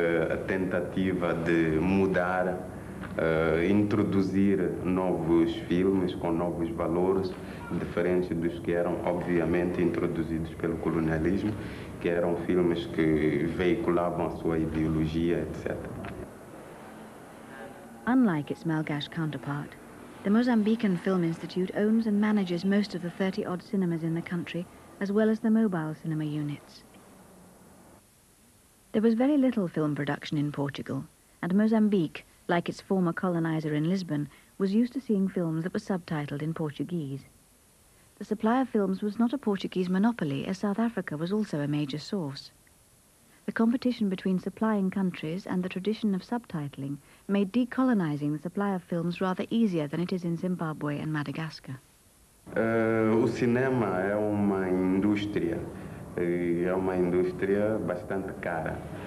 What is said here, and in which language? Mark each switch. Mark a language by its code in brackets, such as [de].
[pt] A tentativa de mudar, introduzir novos filmes com novos valores, diferentes dos que eram, obviamente, introduzidos pelo colonialismo, que eram filmes que veiculavam a sua ideologia, etc. [en] Unlike its Malgash counterpart, the Mozambican Film Institute owns and manages most of the 30-odd cinemas in the country, as well as the mobile cinema units. There was very little film production in Portugal, and Mozambique, like its former colonizer in Lisbon, was used to seeing films that were subtitled in Portuguese. The supply of films was not a Portuguese monopoly, as South Africa was also a major source. The competition between supplying countries and the tradition of subtitling made decolonizing the supply of films rather easier than it is in Zimbabwe and Madagascar. [pt] O cinema é uma indústria, é uma indústria bastante cara.